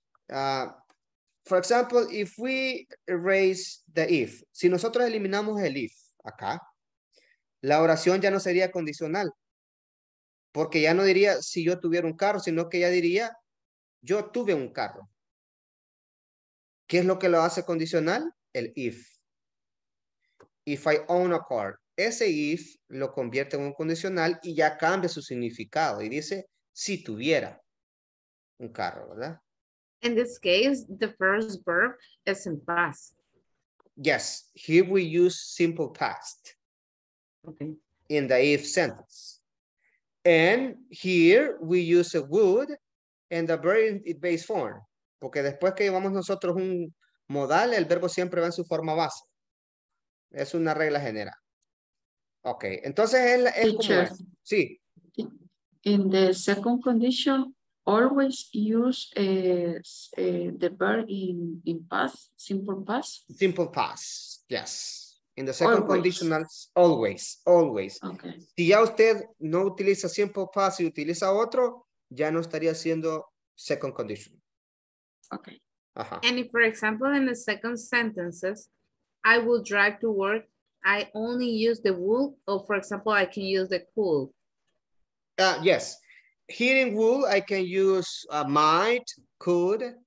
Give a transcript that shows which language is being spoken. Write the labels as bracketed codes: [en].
[en] For example, if we erase the if, [es] si nosotros eliminamos el if, acá, la oración ya no sería condicional, porque ya no diría si yo tuviera un carro, sino que ya diría yo tuve un carro. ¿Qué es lo que lo hace condicional? El if. [en] If I own a car. [es] Ese if lo convierte en un condicional y ya cambia su significado y dice si tuviera un carro, ¿verdad? [en] In this case, the first verb is in past. Yes, here we use simple past. Okay. In the if sentence. And here we use a would and a verb in its base form. [es] Porque después que llevamos nosotros un modal, el verbo siempre va en su forma base. Es una regla general. Okay, entonces es [en] teacher, [es] como... Sí. [en] In the second condition, always use the verb in past, simple past. Simple past, yes. In the second conditional, always, always. Okay. [es] Si ya usted no utiliza simple past y utiliza otro, ya no estaría siendo second condition. [en] Okay. Uh-huh. And if, for example, in the second sentences, I will drive to work, I only use the will, or for example, I can use the could. Yes. Here in will, I can use might, could.